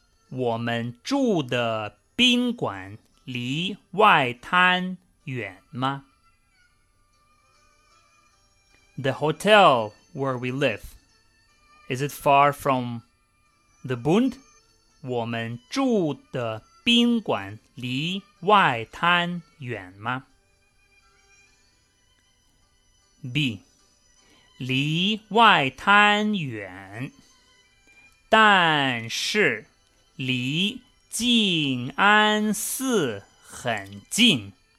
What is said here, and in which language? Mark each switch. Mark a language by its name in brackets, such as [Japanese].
[Chinese] 我们住的宾馆离外滩远吗? [English] The hotel where we live, is it far from the Bund? [Chinese] 我们住的宾馆离外滩远吗? B. 离外滩远,但是离静安寺很近。